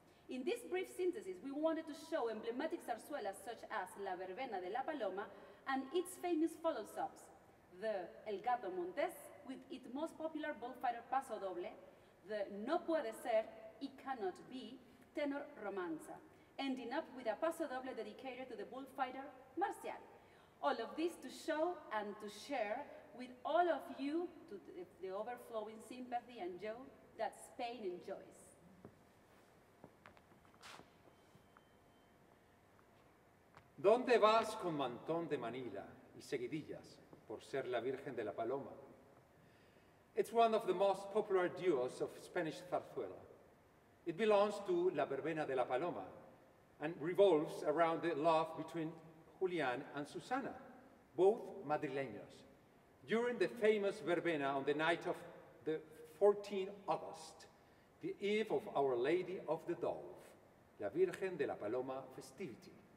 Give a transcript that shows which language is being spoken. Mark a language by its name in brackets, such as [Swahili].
[English] In this brief synthesis, we wanted to show emblematic zarzuelas such as La Verbena de la Paloma and its famous follow-ups, the El Gato Montés with its most popular bullfighter Paso Doble, the No Puede Ser, It Cannot Be, Tenor Romanza, ending up with a Paso Doble dedicated to the bullfighter Marcial. All of this to show and to share with all of you to the overflowing sympathy and joy that Spain enjoys. [Spanish] ¿Dónde vas con mantón de Manila y seguidillas por ser la Virgen de la Paloma? [English] It's one of the most popular duos of Spanish zarzuela. It belongs to La Verbena de la Paloma and revolves around the love between Julián and Susana, both madrileños, during the famous verbena on the night of the 14th August, the eve of Our Lady of the Dove, La Virgen de la Paloma festivity.